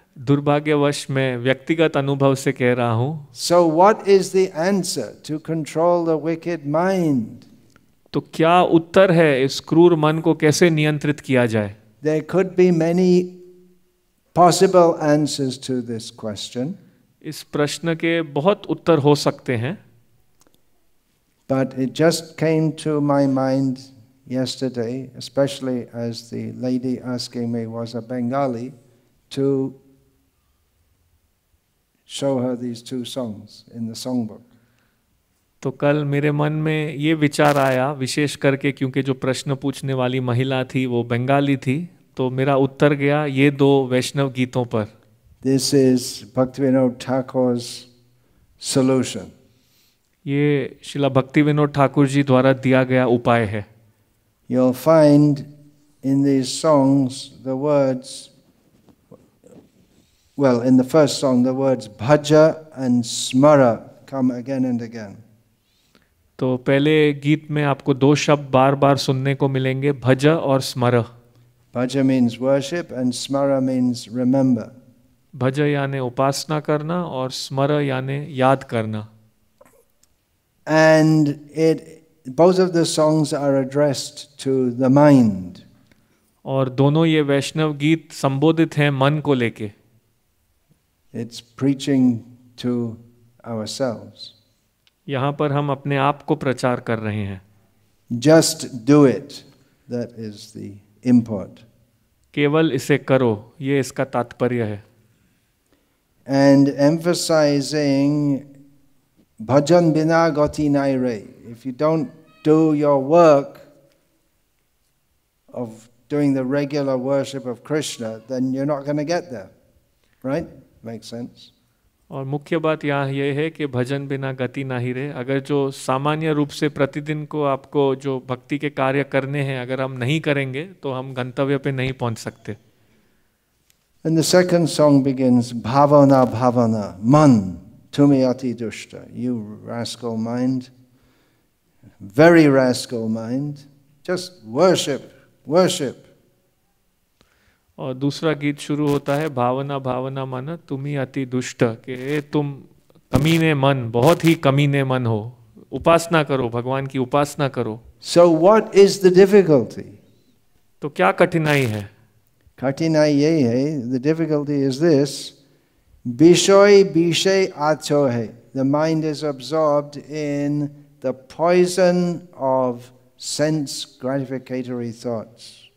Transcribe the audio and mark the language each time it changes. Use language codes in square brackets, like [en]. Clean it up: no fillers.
[hi] दुर्भाग्यवश मैं व्यक्तिगत अनुभव से कह रहा हूँ। [en] So what is the answer to control the wicked mind? [hi] तो क्या उत्तर है इस क्रूर मन को कैसे नियंत्रित किया जाए? [en] There could be many possible answers to this question. [hi] इस प्रश्न के बहुत उत्तर हो सकते हैं। [en] But it just came to my mind yesterday, especially as the lady asking me was a Bengali, to show her these two songs in the songbook. [hi] तो कल मेरे मन में ये विचार आया, विशेष करके क्योंकि जो प्रश्न पूछने वाली महिला थी वो बंगाली थी, तो मेरा उत्तर गया ये दो वैष्णव गीतों पर। [en] This is Bhaktivinoda Thakur's solution. [hi] ये शिला भक्ति विनोद ठाकुर जी द्वारा दिया गया उपाय है। [en] You'll find in these songs the words, well, in the first song, the words bhaja and smara come again and again. [hi] तो पहले गीत में आपको दो शब्द बार बार सुनने को मिलेंगे, भजा और स्मरा। [en] Bhaja means worship and smara means remember. [hi] भजा याने उपासना करना और स्मरा याने याद करना। [en] And it, both of the songs are addressed to the mind. [hi] और दोनों ये वैष्णव गीत संबोधित हैं मन को लेके। [en] It's preaching to ourselves. [hi] यहाँ पर हम अपने आप को प्रचार कर रहे हैं। [en] Just do it. That is the import. [hi] केवल इसे करो, ये इसका तात्पर्य है। [en] And emphasizing [bn] Bhajan bina gati nai re. [en] If you don't do your work of doing the regular worship of Krishna, then you're not going to get there. Right? Makes sense. [hi] और मुख्य बात यहाँ ये है कि [bn] भजन बिना गति ना ही रहे. [hi] अगर जो सामान्य रूप से प्रतिदिन को आपको जो भक्ति के कार्य करने हैं, अगर हम नहीं करेंगे तो हम गंतव्य पे नहीं पहुंच सकते. [en] And the second song begins, [bn] Bhavana Bhavana, Man, Tumi Ati Dushta, [en] you rascal mind, very rascal mind, just worship, worship. [hi] और दूसरा गीत शुरू होता है [bn] भावना भावना मन तुम्ही अति दुष्ट [hi] के तुम कमीने मन बहुत ही कमीने मन हो उपासना करो भगवान की उपासना करो. [en] So what is the difficulty? [hi] तो क्या कठिनाई है? कठिनाई यही है. [en] The difficulty is this. [hi] विषय विषय आचो है. [en] The mind is absorbed in the poison of sense gratificatory thoughts.